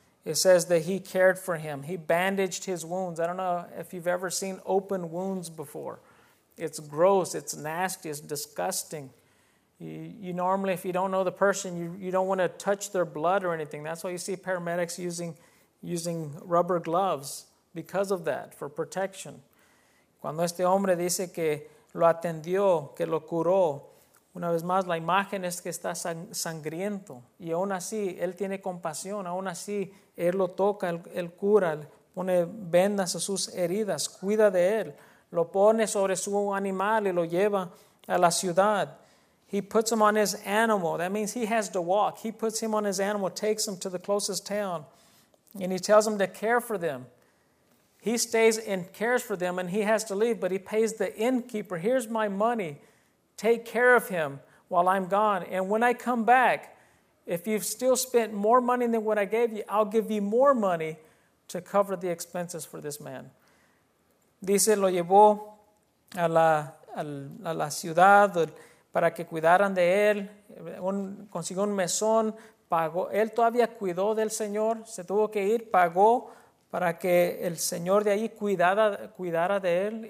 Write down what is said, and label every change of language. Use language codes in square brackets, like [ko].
[en] It says that he cared for him. He bandaged his wounds. I don't know if you've ever seen open wounds before. It's gross. It's nasty. It's disgusting. You normally, if you don't know the person, you don't want to touch their blood or anything. That's why you see paramedics using rubber gloves because of that, for protection. [es] Cuando este hombre dice que lo atendió, que lo curó, una vez más, la imagen es que está sangriento. Y aún así, él tiene compasión. Aún así, él lo toca, él cura, él pone vendas a sus heridas, cuida de él. Lo pone sobre su animal y lo lleva a la ciudad. [en] He puts him on his animal. That means he has to walk. He puts him on his animal, takes him to the closest town. And he tells him to care for them. He stays and cares for them, and he has to leave. But he pays the innkeeper, here's my money. Take care of him while I'm gone. And when I come back, if you've still spent more money than what I gave you, I'll give you more money to cover the expenses for this man. [es] Dice, lo llevó a la ciudad para que cuidaran de él. Consiguió un mesón, pagó. Él todavía cuidó del Señor. Se tuvo que ir, pagó para que el Señor de ahí cuidara de él.